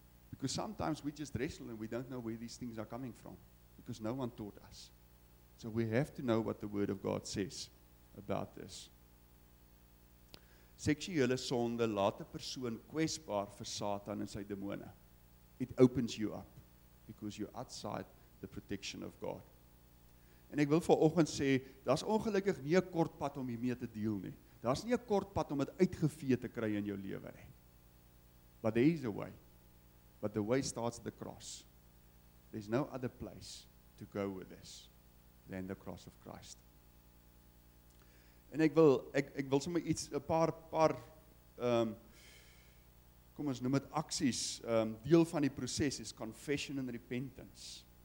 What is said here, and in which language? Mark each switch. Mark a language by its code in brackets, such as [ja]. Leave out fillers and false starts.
[en] Because sometimes we just wrestle and we don't know where these things are coming from, because no one taught us. So we have to know what the word of God says about this. [af] Seksuele sonde laat 'n persoon kwesbaar vir Satan en sy demone. [en] It opens you up, because you're outside the protection of God. [af] En ek wil vanoggend sê, daar's ongelukkig nie 'n kort pad om hiermee te deel nie. Daar's nie 'n kort pad om dit uitgevee te kry in jou lewe nie. [en] But there is a way. But the way starts at the cross. There's no other place to go with this than the cross of Christ. [af] En ek wil sommer iets, 'n paar kom ons noem dit aksies, deel van die proses is [en] confession and repentance.